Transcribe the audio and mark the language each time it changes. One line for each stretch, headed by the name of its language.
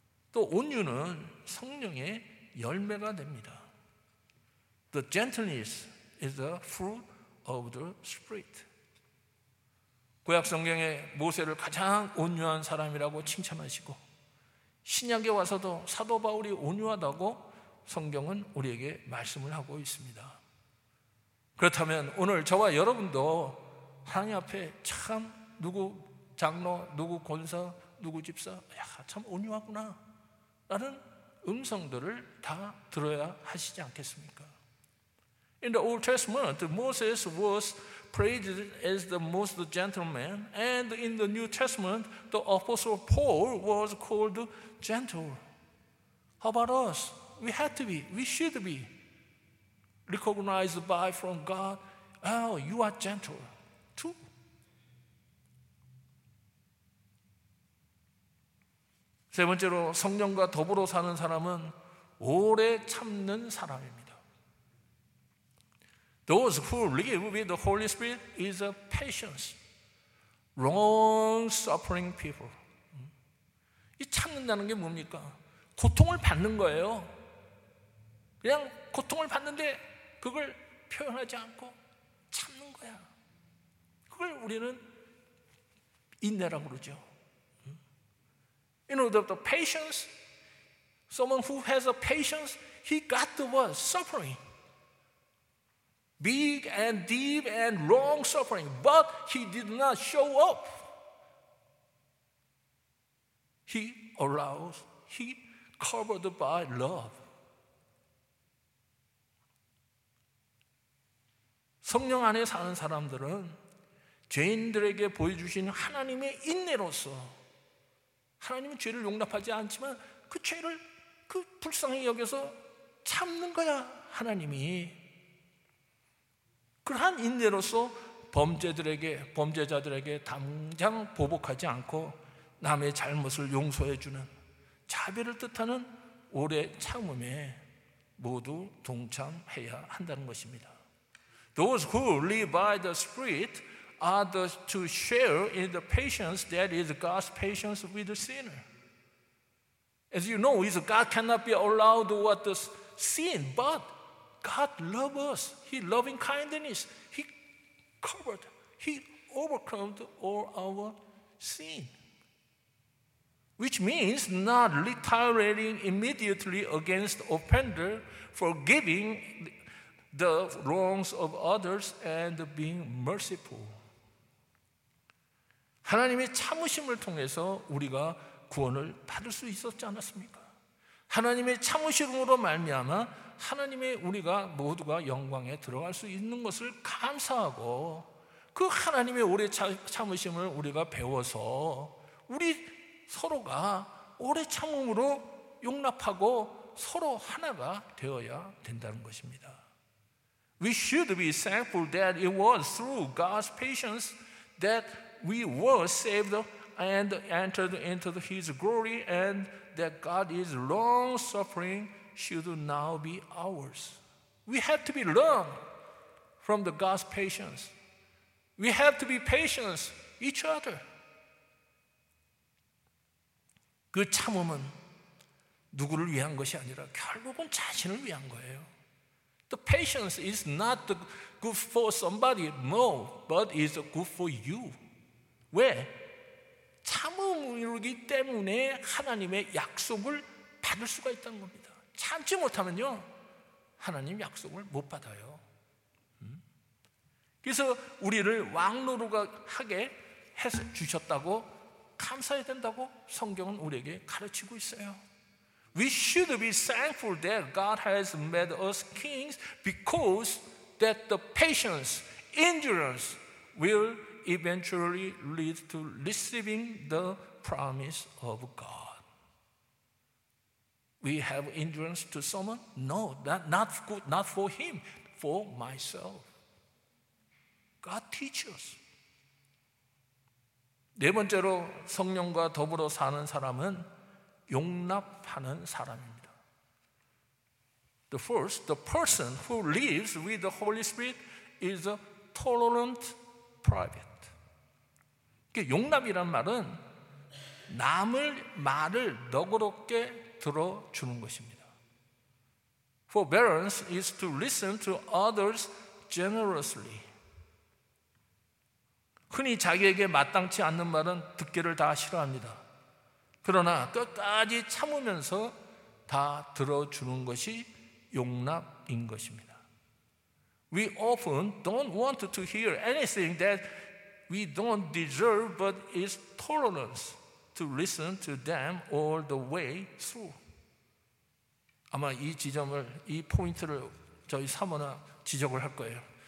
Korean: 또 온유는 성령의 열매가 됩니다.
English: The gentleness is the fruit of the spirit.
Korean: 구약 성경에 모세를 가장 온유한 사람이라고 칭찬하시고 신약에 와서도 사도 바울이 온유하다고 성경은 우리에게 말씀을 하고 있습니다. 그렇다면 오늘 저와 여러분도 하나님 앞에 참 누구 장로, 누구 권사, 누구 집사, 야, 참 온유하구나 라는 음성들을 다 들어야 하시지 않겠습니까?
English: In the Old Testament, Moses was praised as the most gentle man, and in the New Testament, the Apostle Paul was called gentle. How about us? We have to be, we should be recognized by from God, oh, you are gentle too.
Korean: 세 번째로 성령과 더불어 사는 사람은 오래 참는 사람입니다.
English: Those who live with the Holy Spirit is a patience, long-suffering people.
Korean: 이 참는다는 게 뭡니까? 고통을 받는 거예요. 그냥 고통을 받는데 그걸 표현하지 않고 참는 거야. 그걸 우리는 인내라고 그러죠.
English: You know, the patience, someone who has a patience, he got the word suffering. Big and deep and long suffering, but he did not show up. He allows, he covered by love.
Korean: 성령 안에 사는 사람들은 죄인들에게 보여주신 하나님의 인내로서 하나님은 죄를 용납하지 않지만 그 죄를 그 불쌍히 여겨서 참는 거야 하나님이. 그러한 인내로서 범죄들에게 범죄자들에게 당장 보복하지 않고 남의 잘못을 용서해 주는 자비를 뜻하는 오래 참음에 모두 동참해야 한다는 것입니다.
English: Those who live by the Spirit are to share in the patience that is God's patience with the sinner. As you know, God cannot be allowed what the sin, but God loves us. He loving kindness. He covered, he overcome all our sin. Which means not retaliating immediately against the offender, forgiving the wrongs of others and being merciful.
Korean: 하나님의 참으심을 통해서 우리가 구원을 받을 수 있었지 않았습니까? 하나님의 참으심으로 말미암아 하나님의 우리가 모두가 영광에 들어갈 수 있는 것을 감사하고 그 하나님의 오래 참으심을 우리가 배워서 우리 서로가 오래 참음으로 용납하고 서로 하나가 되어야 된다는 것입니다.
English: We should be thankful that it was through God's patience that we were saved and entered into his glory and that God is long suffering should now be ours. We have to be learned from the God's patience. We have to be patient each other.
Korean: 그 참음은 누구를 위한 것이 아니라 결국은 자신을 위한 거예요.
English: The patience is not good for somebody, no, but it's good for you.
Korean: 왜? 참음이기 때문에 하나님의 약속을 받을 수가 있다는 겁니다. 참지 못하면요 하나님 약속을 못 받아요. 그래서 우리를 왕노릇하게 해서 주셨다고 감사해야 된다고 성경은 우리에게 가르치고 있어요.
English: We should be thankful that God has made us kings because that the patience, endurance will eventually lead to receiving the promise of God. We have endurance to someone? No, not good, not for him, for myself. God teaches.
Korean: 네 번째로 성령과 더불어 사는 사람은 용납하는 사람입니다.
English: The first, the person who lives with the Holy Spirit is a tolerant private.
Korean: 그러니까 용납이란 말은 남을 말을 너그럽게 들어주는 것입니다.
English: Forbearance is to listen to others generously.
Korean: 흔히 자기에게 마땅치 않는 말은 듣기를 다 싫어합니다. 그러나 끝까지 참으면서 다 들어주는 것이 용납인 것입니다.
English: We often don't want to hear anything that we don't deserve, but it's tolerance to listen to them all the way through.
Korean: 아마 이 지점을, 이 포인트를 저희 사모나 지적을 할 거예요.